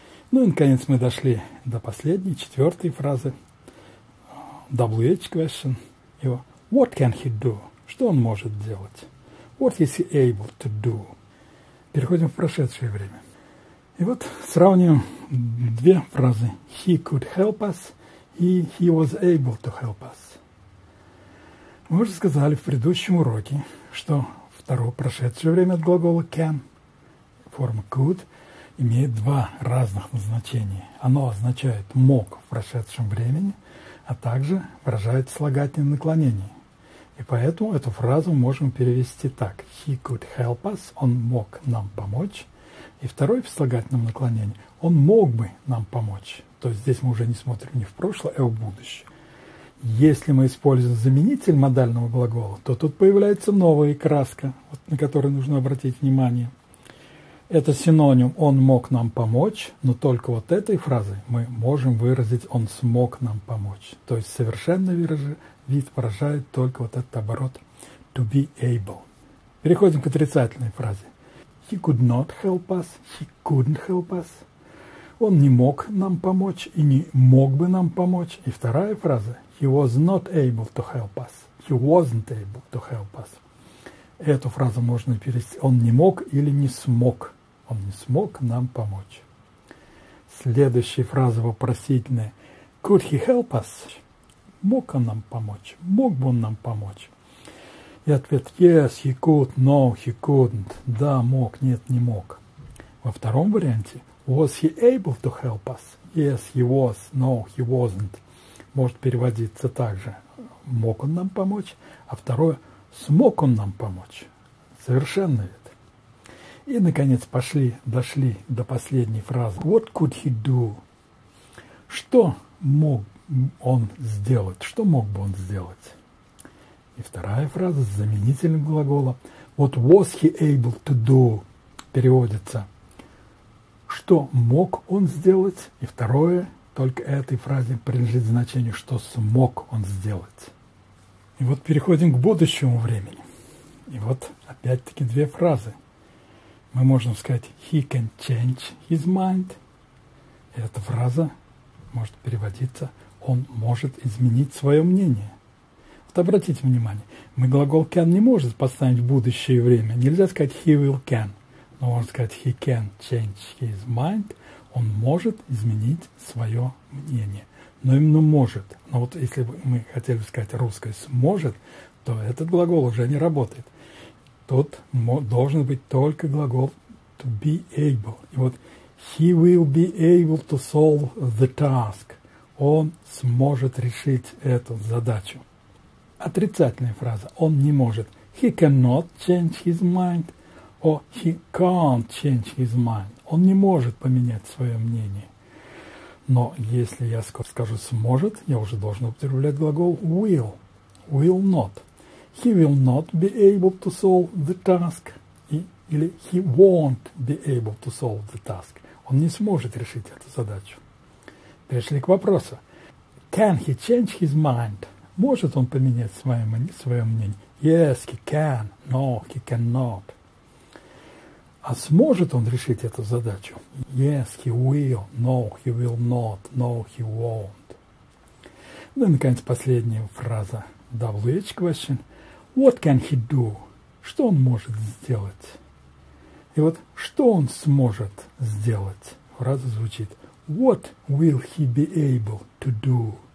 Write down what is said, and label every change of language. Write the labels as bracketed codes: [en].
[ru] Ну и, наконец, мы дошли до последней, четвертой фразы. [en] WH question. [ru] Его. [en] What can he do? [ru] Что он может делать? [en] What is he able to do? [ru] Переходим в прошедшее время. И вот сравниваем две фразы. [en] He could help us. И he was able to help us. [ru] Мы уже сказали в предыдущем уроке, что второе прошедшее время от глагола can, форма could, имеет два разных назначения. Оно означает мог в прошедшем времени, а также выражает слагательное наклонение. И поэтому эту фразу можем перевести так. [en] He could help us. [ru] Он мог нам помочь. И второй в слагательном наклонении. Он мог бы нам помочь. То есть здесь мы уже не смотрим ни в прошлое, а в будущее. Если мы используем заменитель модального глагола, то тут появляется новая краска, вот, на которую нужно обратить внимание. Это синоним «он мог нам помочь», но только вот этой фразой мы можем выразить «он смог нам помочь». То есть совершенно вид выражает только вот этот оборот «to be able». Переходим к отрицательной фразе. [en] «He could not help us», «he couldn't help us». [ru] «Он не мог нам помочь» и «не мог бы нам помочь». И вторая фраза. [en] «He was not able to help us». «He wasn't able to help us». [ru] Эту фразу можно перевести «он не мог» или «не смог». «Он не смог нам помочь». Следующая фраза вопросительная. [en] «Could he help us?» [ru] «Мог он нам помочь?» «Мог бы он нам помочь?» И ответ [en] «Yes, he could», «No, he couldn't». [ru] «Да, мог», «Нет, не мог». Во втором варианте [en] «Was he able to help us?» «Yes, he was», «No, he wasn't». [ru] Может переводиться также «Мог он нам помочь?» А второе «Смог он нам помочь?» Совершенно вид. И, наконец, дошли до последней фразы. [en] «What could he do?» [ru] «Что мог он сделать?» «Что мог бы он сделать?» И вторая фраза с заменительным глаголом. [en] «What was he able to do?» [ru] Переводится. «Что мог он сделать?» И второе, только этой фразе принадлежит значение «что смог он сделать?» И вот переходим к будущему времени. И вот опять-таки две фразы. Мы можем сказать [en] «He can change his mind». [ru] И эта фраза может переводиться «Он может изменить свое мнение». Вот обратите внимание, мы глагол «can» не можем поставить в будущее время. Нельзя сказать [en] «He will can». [ru] Но можно сказать [en] «He can change his mind». [ru] Он может изменить свое мнение. Но именно может. Но вот если бы мы хотели сказать русское «сможет», то этот глагол уже не работает. Тут должен быть только глагол «to be able». И вот [en] «he will be able to solve the task». [ru] Он сможет решить эту задачу. Отрицательная фраза. Он не может. [en] «He cannot change his mind». Or «he can't change his mind». [ru] Он не может поменять свое мнение. Но если я скажу «сможет», я уже должен употреблять глагол «will». [en] «Will not». «He will not be able to solve the task». Или «he won't be able to solve the task». [ru] Он не сможет решить эту задачу. Перешли к вопросу. [en] «Can he change his mind?» [ru] «Может он поменять свое мнение?» [en] «Yes, he can». «No, he cannot». [ru] А сможет он решить эту задачу? [en] Yes, he will. No, he will not. No, he won't. [ru] Ну и, наконец, последняя фраза. [en] WH question. What can he do? [ru] Что он может сделать? И вот, что он сможет сделать? Фраза звучит. [en] What will he be able to do?